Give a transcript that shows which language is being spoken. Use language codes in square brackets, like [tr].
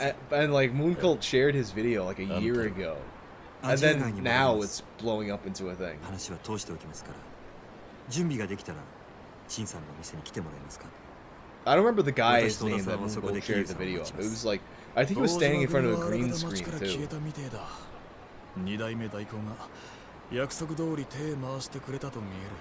[en] And like Moon Cult shared his video like a year ago. And then now it's blowing up into a thing. [ja] 話は通しておきますから。準備ができたら、陳さんの店に来てもらえますか。 [en] I don't remember the guy's name that Bull shared the video of. It was like, I think he was standing in front of a green screen too. [ja] 2代目大根が約束通り手回してくれたと見える。